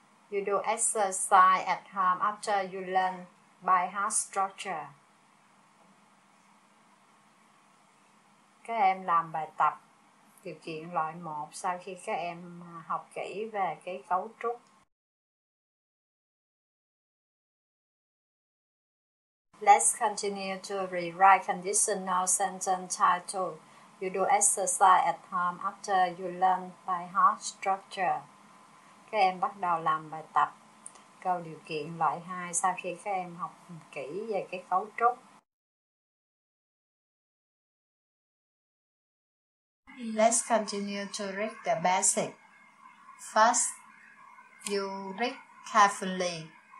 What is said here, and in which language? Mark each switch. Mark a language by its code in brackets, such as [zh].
[en] You do exercise at home after you learn by heart structure. [vi] Các em làm bài tập điều kiện loại 1 sau khi các em học kỹ về cái cấu trúc. [en] Let's continue to rewrite conditional sentence type 2. You do exercise at home after you learn by heart structure. [vi] Các em bắt đầu làm bài tập câu điều kiện loại 2 sau khi các em học kỹ về cái cấu trúc. [en] Let's continue to read the basic. First, you read carefully.